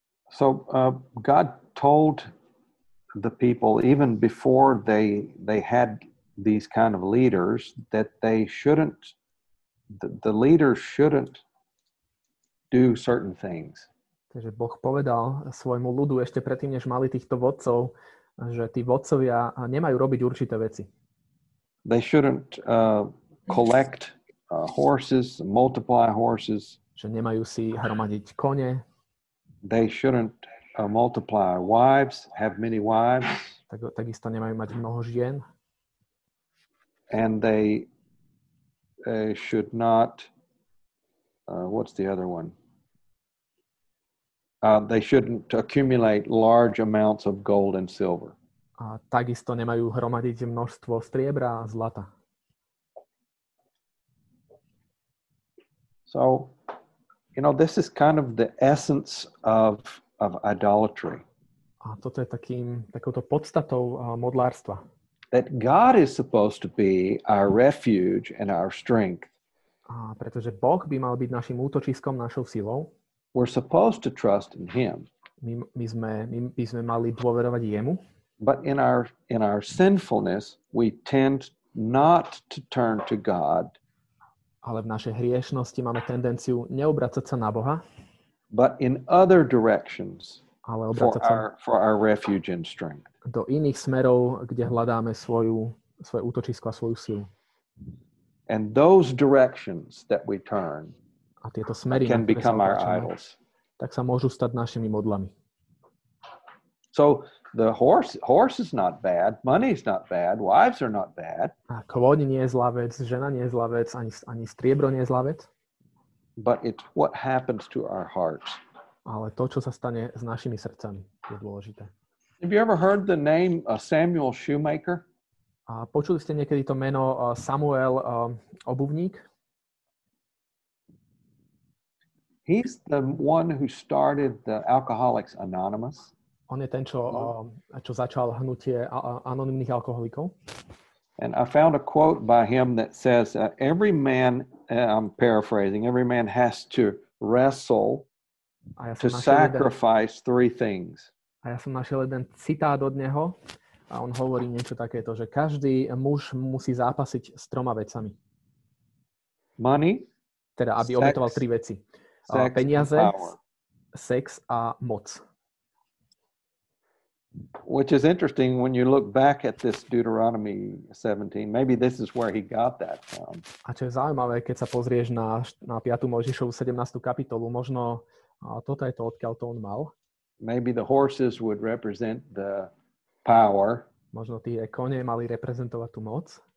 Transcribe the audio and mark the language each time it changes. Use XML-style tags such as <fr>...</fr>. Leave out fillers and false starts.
<en>So God told the people, even before they had these kind of leaders, that they shouldn't, the leader shouldn't do certain things.</en> <sk>Takže Boh povedal svojmu ľudu ešte predtým, než mali týchto vodcov, že tí vodcovia nemajú robiť určité veci.</sk> <en>They shouldn't collect horses, multiply horses.</en> <sk>Že nemajú si hromadiť kone.</sk> <en>They shouldn't multiply wives, have many wives.</en> <sk>Takisto nemajú mať mnoho žien.</sk> <en>And they should not what's the other one? They shouldn't accumulate large amounts of gold and silver.</en> <sk>A takisto nemajú hromadiť množstvo striebra a zlata.</sk> <en>So, you know, this is kind of the essence of idolatry.</en> <sk>A toto je takouto podstatou modlárstva.</sk> <en>That God is supposed to be our refuge and our strength.</en> <sk>A pretože Boh by mal byť našim útočiskom, našou silou.</sk> <en>We're supposed to trust in him.</en> <sk>My by sme mali dôverovať jemu.</sk> <en>But in our sinfulness, we tend not to turn to God.</en> <sk>Ale v našej hriešnosti máme tendenciu neobracať sa na Boha.</sk> <en>But in other directions,</en> <sk>ale obracať sa</sk> <en>for our refuge and strength.</en> <sk>Do iných smerov, kde hľadáme svoje útočisko a svoju silu.</sk> <en>And those directions that we turn</en> <sk>a tieto smery,</sk> <en>can become our idols.</en> <sk>Tak sa môžu stať našimi modlami.</sk> <en>So the horse is not bad, money is not bad, wives are not bad.</en> <sk>A kôň nie je zlá vec, žena nie je zlá vec, ani striebro nie je zlá vec.</sk> <en>But it's what happens to our hearts.</en> <sk>Ale to, čo sa stane s našimi srdcami, je dôležité.</sk> <en>Have you ever heard the name Samuel Shoemaker?</en> <sk>A počuli ste niekedy to meno Samuel obuvník?</sk> <en>He's the one who started the Alcoholics Anonymous.</en> <sk>On je ten, čo začal hnutie anonymných alkoholikov.</sk> <en>And I found a quote by him that says, every man, I'm paraphrasing, every man has to wrestle to sacrifice three things.</en> <sk>A ja som našiel jeden citát od neho a on hovorí niečo takéto, že každý muž musí zápasiť s troma vecami.</sk> <en>Money,</en> <sk>teda aby obetoval tri veci. Peniaze, sex a moc.</sk> <en>Which is interesting when you look back at this Deuteronomy 17. Maybe this is where he got that from.</en> <sk>A čo je zaujímavé, keď sa pozrieš na 5. Mojžišovu 17. kapitolu, možno toto je to, odkiaľ to on mal.</sk> <en>Maybe the horses would represent the power.</en> <sk>Možno tie kone mali reprezentovať tú moc.</sk>